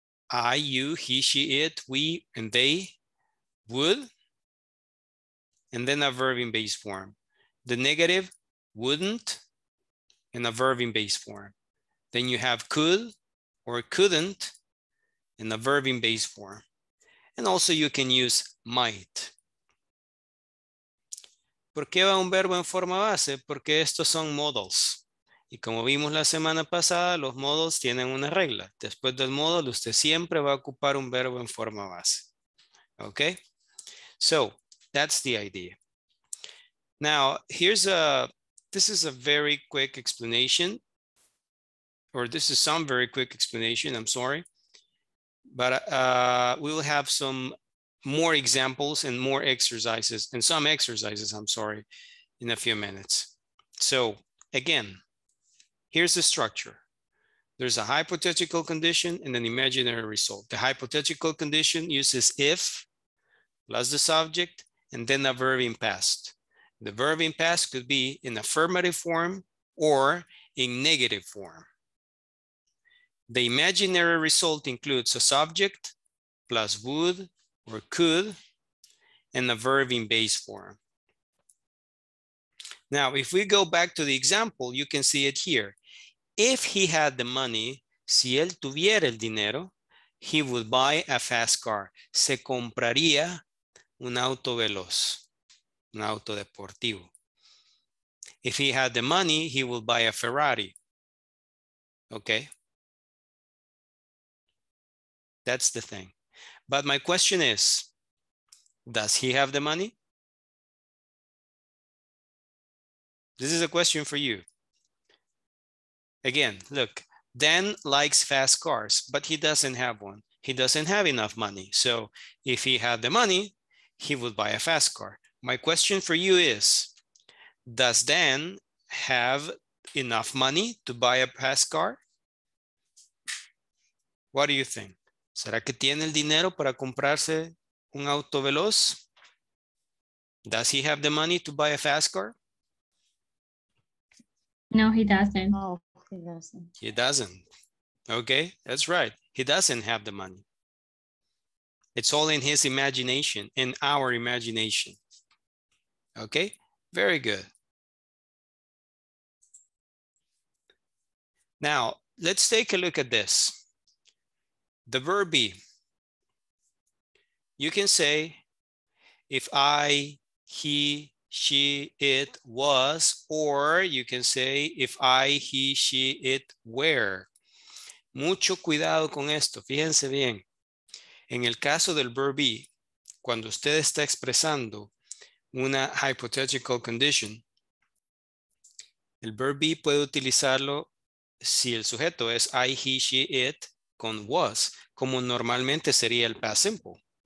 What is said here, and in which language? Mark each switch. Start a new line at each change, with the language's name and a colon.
English: I, you, he, she, it, we, and they would, and then a verb in base form. The negative, wouldn't, and a verb in base form. Then you have could or couldn't in the verb in base form. And also you can use might.
Spanish: ¿Por qué va un verbo en forma base? Porque estos son modals. Y como vimos la semana pasada, los modals tienen una regla. Después del modal, usted siempre va a ocupar un verbo en forma base.
English: Okay? So, that's the idea. Now, here's a, this is a very quick explanation. Or this is some very quick explanation, I'm sorry. But we will have some more examples and more exercises, and some exercises, I'm sorry, in a few minutes. So again, here's the structure. There's a hypothetical condition and an imaginary result. The hypothetical condition uses if plus the subject and then a verb in past. The verb in past could be in affirmative form or in negative form. The imaginary result includes a subject plus would or could and a verb in base form. Now, if we go back to the example, you can see it here. If he had the money,
Spanish: si él tuviera el dinero,
English: he would buy a fast car.
Spanish: Se compraría un auto veloz, un auto deportivo.
English: If he had the money, he would buy a Ferrari. Okay. That's the thing. But my question is, does he have the money? This is a question for you. Again, look, Dan likes fast cars, but he doesn't have one. He doesn't have enough money. So if he had the money, he would buy a fast car. My question for you is, does Dan have enough money to buy a fast car? What do you think?
Spanish: ¿Será que tiene el dinero para comprarse un auto veloz?
English: Does he have the money to buy a fast car? No, he doesn't. He doesn't. Okay, that's right. He doesn't have the money. It's all in his imagination, in our imagination. Okay, very good. Now, let's take a look at this. The verb be, you can say, if I, he, she, it was, or you can say, if I, he, she, it were.
Spanish: Mucho cuidado con esto, fíjense bien. En el caso del verb be, cuando usted está expresando una hypothetical condition, el verb be puede utilizarlo si el sujeto es I, he, she, it, con was, como normalmente sería el past simple.